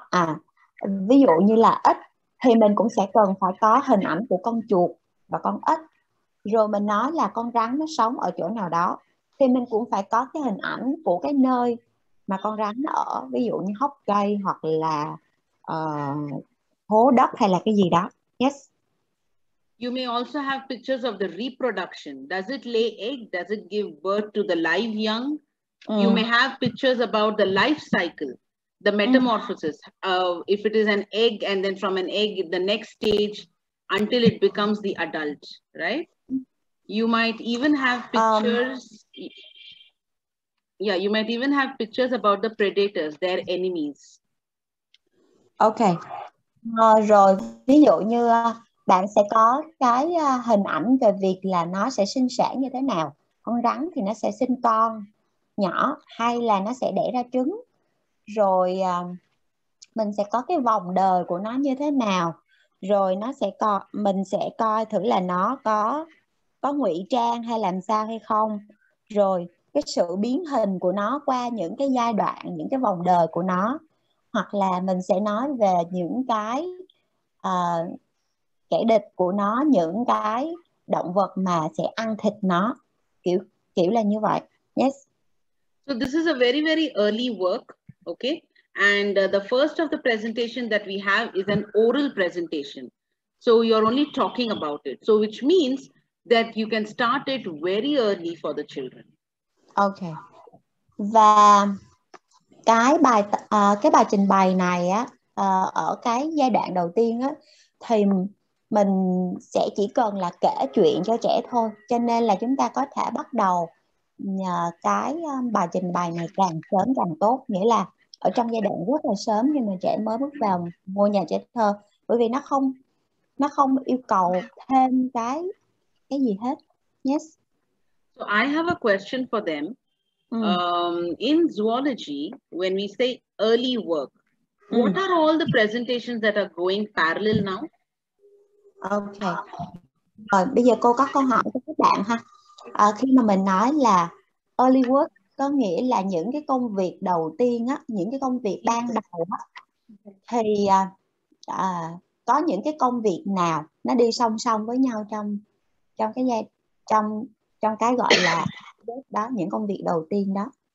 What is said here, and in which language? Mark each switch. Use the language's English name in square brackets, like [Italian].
[Vietnamese] À, ví dụ như là ếch, thì mình cũng sẽ cần phải có hình ảnh của con chuột và con ếch. Rồi mình nói là con rắn nó sống ở chỗ nào đó, thì mình cũng phải có cái hình ảnh của cái nơi mà con rắn nó ở, ví dụ như hốc cây hoặc là hố đất hay là cái gì đó. [English] You may also have pictures of the reproduction. Does it lay egg? Does it give birth to the live young? You may have pictures about the life cycle, the metamorphosis. If it is an egg, and then from an egg, the next stage until it becomes the adult, right? You might even have pictures. You might even have pictures about the predators, their enemies. Okay. [Vietnamese] Rồi ví dụ như bạn sẽ có cái hình ảnh về việc là nó sẽ sinh sản như thế nào. Con rắn thì nó sẽ sinh con nhỏ hay là nó sẽ đẻ ra trứng. Rồi mình sẽ có cái vòng đời của nó như thế nào. Rồi nó sẽ có, mình sẽ coi thử là nó có ngụy trang hay làm sao hay không. Rồi cái sự biến hình của nó qua những cái giai đoạn, những cái vòng đời của nó. Hoặc là mình sẽ nói về những cái kẻ địch của nó, những cái động vật mà sẽ ăn thịt nó, kiểu kiểu là như vậy. [English] Yes. So this is a very, very early work, okay? And the first of the presentation that we have is an oral presentation. So you're only talking about it. So which means that you can start it very early for the children. Okay. [Vietnamese] Và cái bài trình bày này á, ở cái giai đoạn đầu tiên á, thì mình sẽ chỉ cần là kể chuyện cho trẻ thôi, cho nên là chúng ta có thể bắt đầu nhờ cái bài trình bày này càng sớm càng tốt, nghĩa là ở trong giai đoạn rất là sớm nhưng mà trẻ mới bước vào ngôi nhà trẻ thơ, bởi vì nó không yêu cầu thêm cái gì hết. [English] Yes. So I have a question for them. In zoology, when we say early work, what are all the presentations that are going parallel now? Okay. [Vietnamese] Rồi, bây giờ cô có câu hỏi cho các bạn ha. Khi mà mình nói là early work có nghĩa là những cái công việc đầu tiên á, những cái công việc ban đầu á, thì có những cái công việc nào nó đi song song với nhau trong trong cái giai trong trong cái gọi là đó, những công việc đầu tiên đó.